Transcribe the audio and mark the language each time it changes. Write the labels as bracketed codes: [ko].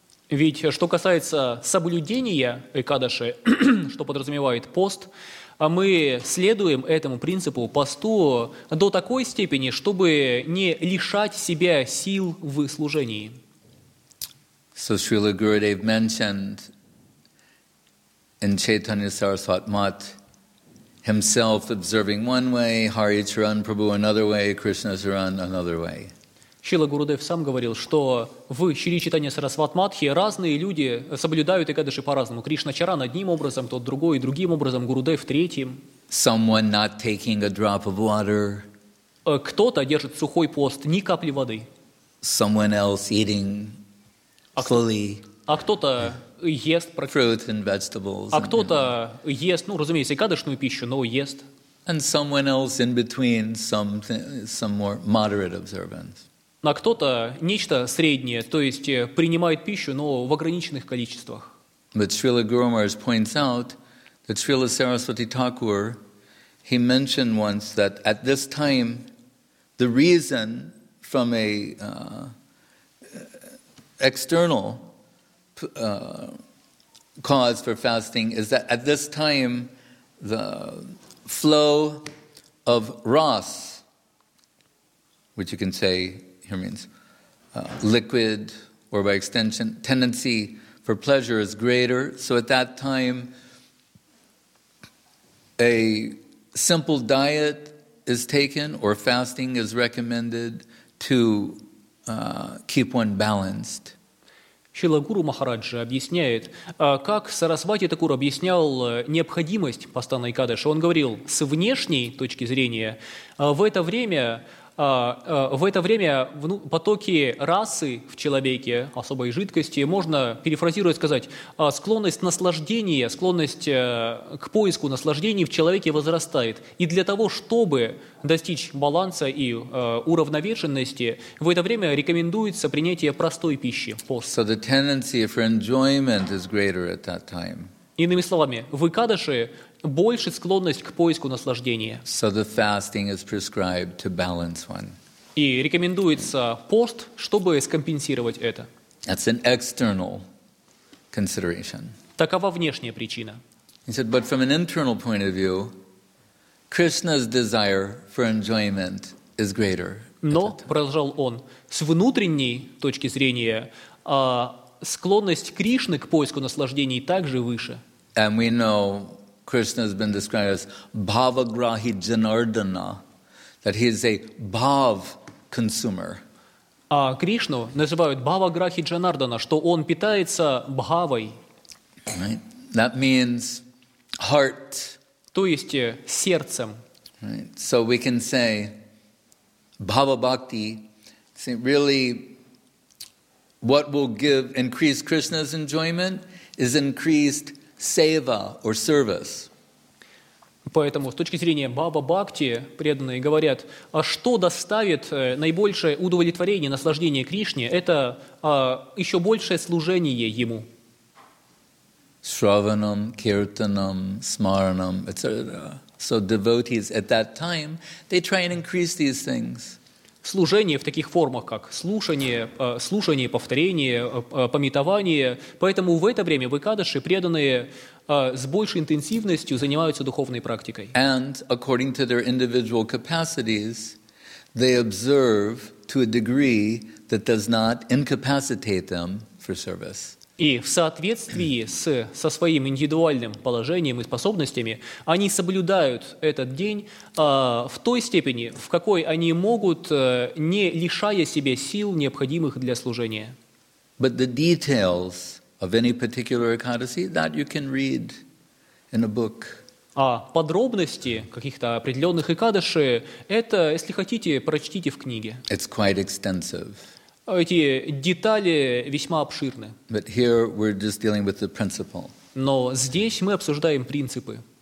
[ru] Ведь что касается соблюдения Экадаши, что подразумевает пост, мы следуем этому принципу посту до такой степени, чтобы не лишать себя сил в служении. [en] So Srila Gurudev mentioned in Chaitanya Sarasvatmat himself observing one way, Hari Charan Prabhu another way, Krishna Charan another way. [ru] Srila Gurudev сам говорил, что в Шри Чайтанья Сарасватматхе разные люди соблюдают Экадаши по-разному. Кришна Чаран одним образом, тот другой, другим образом, Гурудев третьим. [en] Someone not taking a drop of water. [ru] Кто-то держит сухой пост, ни капли воды. [en] Someone else eating slowly. [ru] А кто-то ест [en] fruit and vegetables. [ru] А кто-то ест, ну, разумеется, экадашную пищу, но ест. [en] And someone else in between some more moderate observance. [ru] А кто-то нечто среднее, то есть принимает пищу, но в ограниченных количествах. [en] But Srila Guru Maharaj points out that Srila Saraswati Thakur, he mentioned once that at this time, the reason from a external cause for fasting is that at this time the flow of ras, which you can say here means liquid or by extension tendency for pleasure, is greater. So at that time a simple diet is taken or fasting is recommended to keep one balanced. [ru] Шрила Гуру Махараджа объясняет, как Сарасвати Такур объяснял необходимость постана Экадаши. Он говорил, с внешней точки зрения, в это время потоки расы в человеке, особой жидкости, можно перефразировать, сказать, склонность наслаждения, склонность к поиску наслаждений в человеке возрастает. И для того, чтобы достичь баланса и уравновешенности, в это время рекомендуется принятие простой пищи, пост. [en] So the tendency for enjoyment is greater at that time. [ru] Иными словами, в Экадаши больше склонность к поиску наслаждения. [en] So the fasting is prescribed to balance one. [ru] И рекомендуется пост, чтобы скомпенсировать это. [en] That's an external consideration. [ru] Такова внешняя причина. [en] He said, but from an internal point of view, Krishna's desire for enjoyment is greater. [ru] Но, продолжал он, с внутренней точки зрения, склонность Кришны к поиску наслаждений также выше. [en] And we know Krishna has been described as Bhavagrahi Janardana, that he is a bhav consumer. [ru] А Кришну называют Бхаваграхи Джанардана, что он питается бхавой. [en] Right. That means heart. [ru] То есть сердцем. [en] Right. So we can say bhava bhakti, really what will give increase Krishna's enjoyment is increased seva or service. [ru] Поэтому с точки зрения баба-бхакти, преданные говорят, а что доставит наибольшее удовлетворение, наслаждение Кришне, это еще большее служение Ему. [sa] Шраванам, киртанам, смаранам, etc. [en] So devotees at that time, they try and increase these things. [ru] Служение в таких формах, как слушание, повторение, памятование. Поэтому в это время в Экадаши преданные с большей интенсивностью занимаются духовной практикой. [en] And according to their individual capacities, they observe to a degree that does not incapacitate them for service. [ru] И в соответствии со своим индивидуальным положением и способностями они соблюдают этот день в той степени, в какой они могут, не лишая себе сил, необходимых для служения. [en] But the details of any particular Ekadasi, that you can read in a book. [ru] А подробности каких-то определенных Экадаши, это, если хотите, прочтите в книге. [en] It's quite extensive. [ru] Эти детали весьма обширны. [en] But here we're just dealing with the principle. [ru] Но здесь мы обсуждаем принципы.